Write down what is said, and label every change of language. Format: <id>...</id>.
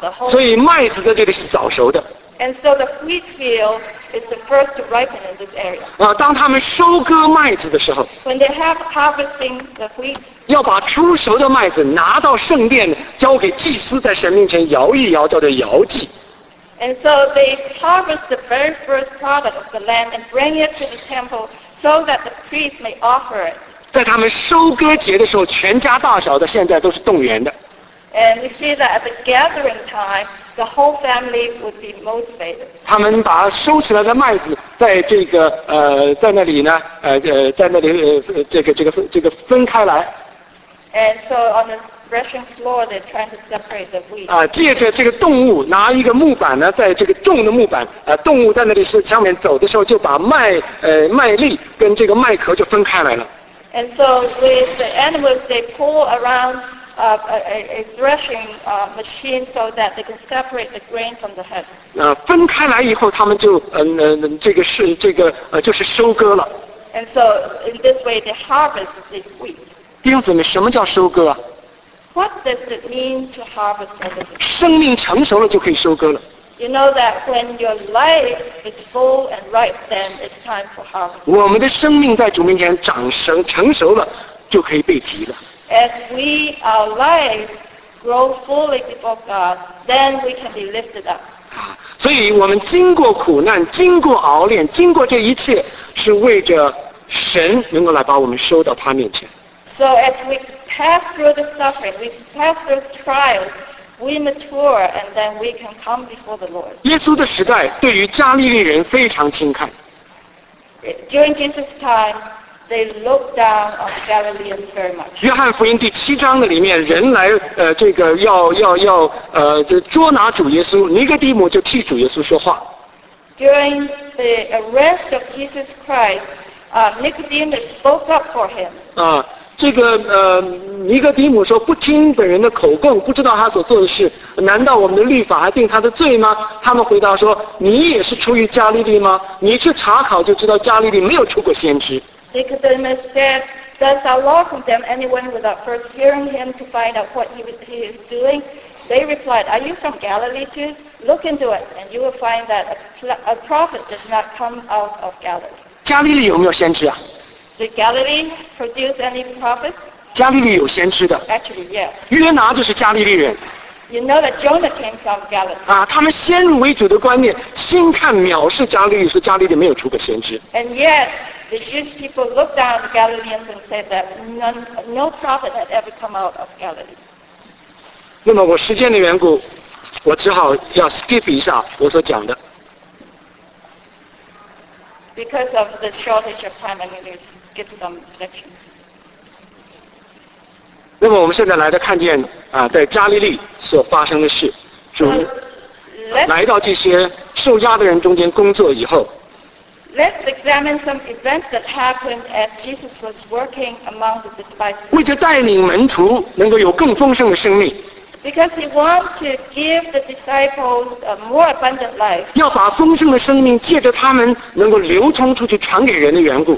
<zh>所以麦子在这里是早熟的。</zh> <en>And so the wheat field is the first to ripen in this area.</en> <zh>当他们收割麦子的时候</zh> <en>，When they have harvesting the wheat,</en> <zh>要把出熟的麦子拿到圣殿，交给祭司在神面前摇一摇，叫做摇祭。</zh> <en>And so they harvest the very first product of the land and bring it to the temple so that the priest may offer it.</en> <zh>在他们收割节的时候，全家大小的现在都是动员的。</zh> <en>And we see that at the gathering time, the whole family would be motivated.</en> <zh>他们把收起来的麦子，在这个在那里呢，在那里这个分开来。</zh> <en>And so on the threshing floor, they're trying to separate the wheat.</en> <zh>借着这个动物拿一个木板呢，在这个重的木板动物在那里是上面走的时候，就把麦粒跟这个麦壳就分开来了。</zh> <en>And so with the animals, they pull around. A threshing machine so that they can separate the grain from the head.</en> <zh>分开来以后，他们就这个是这个就是收割了。</zh> <en>And so in this way they harvest the wheat.</en> <zh>弟兄姊妹，什么叫收割啊</zh> <en>？What does it mean to harvest the wheat?</en> <zh>生命成熟了就可以收割了。</zh> <en>You know that when your life is full and ripe, then it's time for harvest.</en> <zh>我们的生命在主面前成熟了，就可以被提了。</zh> <en>As we our lives grow fully before God, then we can be lifted up.</en> <zh>所以我们经过苦难，经过熬炼，经过这一切，是为着神能够来把我们收到他面前。</zh> <en>So as we pass through the suffering, we pass through trials, we mature and then we can come before the Lord.</en> <zh>耶稣的时代对于加利利人非常轻看。</zh> <en>During Jesus' time, they looked down on Galileans very much.</en> <zh>约翰福音第七章的里面，人来这个要捉拿主耶稣，尼哥底母就替主耶稣说话。</zh> <en>During the arrest of Jesus Christ, Nicodemus spoke up for him.</en> <zh>这个尼哥底母说不听本人的口供，不知道他所做的事，难道我们的律法还定他的罪吗？他们回答说，你也是出于加利利吗？你去查考就知道加利利没有出过先知。</zh> <en>Nicodemus said, does our law condemn anyone without first hearing him to find out what he is doing? They replied, are you from Galilee too? Look into it, and you will find that a prophet does not come out of Galilee.</en> <zh>加利利有没有先知啊？</zh> <en>Did Galilee produce any prophets?</en> <zh>加利利有先知的。</zh> <en>Actually, yes.</en> <zh>约拿就是加利利人。</zh> <en>You know that Jonah came from Galilee.</en> <zh>他们先入为主的观念，先看藐视加利利，说加利利没有出过先知。</zh> <en>And yet, the Jewish people looked down at the Galileans and said that no prophet had ever come out of Galilee.</en> <zh>那么我时间的缘故，我只好要 skip 一下我所讲的。</zh> <en>Because of the shortage of time, I'm going to skip some sections.</en> <zh>那么我们现在来的看见在加利利所发生的事，主来到这些受压的人中间工作以后。</zh> <en>Let's examine some events that happened as Jesus was working among the despised.</en> <zh>为着带领门徒能够有更丰盛的生命。</zh> <en>Because he wants to give the disciples a more abundant life.</en> <zh>要把丰盛的生命借着他们能够流通出去传给人的缘故。</zh>